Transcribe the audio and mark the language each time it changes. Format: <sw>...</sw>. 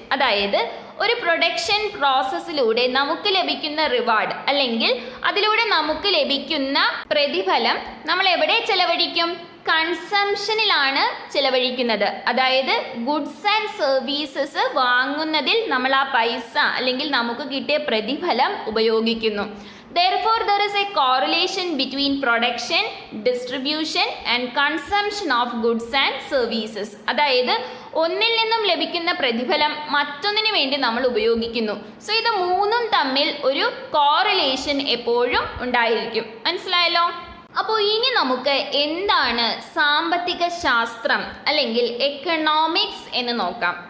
<ml>അതായത് ഒരു പ്രൊഡക്ഷൻ പ്രോസസ്സിലൂടെ നമുക്ക് ലഭിക്കുന്ന റിവാർഡ് അല്ലെങ്കിൽ അതിലൂടെ നമുക്ക് ലഭിക്കുന്ന പ്രതിഫലം നമ്മൾ എവിടെ ചെലവഴിക്കും? കൺസംപ്ഷനിലാണ് ചെലവഴിക്കുന്നത്. അതായത് ഗുഡ്സ് ആൻഡ് സർവീസസ് വാങ്ങുന്നതിൽ നമ്മൾ ആ പൈസ അല്ലെങ്കിൽ നമുക്ക് കിട്ടിയ പ്രതിഫലം ഉപയോഗിക്കുന്നു.</ml> <en>Therefore, there is a correlation between production, distribution and consumption of goods and services.</en> <ml>അതായത് ഒന്നിൽ നിന്നും ലഭിക്കുന്ന പ്രതിഫലം മറ്റൊന്നിന് വേണ്ടി നമ്മൾ ഉപയോഗിക്കുന്നു. സോ ഇത് മൂന്നും തമ്മിൽ ഒരു കോറിലേഷൻ എപ്പോഴും ഉണ്ടായിരിക്കും. മനസ്സിലായല്ലോ. അപ്പോൾ ഇനി നമുക്ക് എന്താണ് സാമ്പത്തിക ശാസ്ത്രം അല്ലെങ്കിൽ എക്കണോമിക്സ് എന്ന് നോക്കാം.</ml>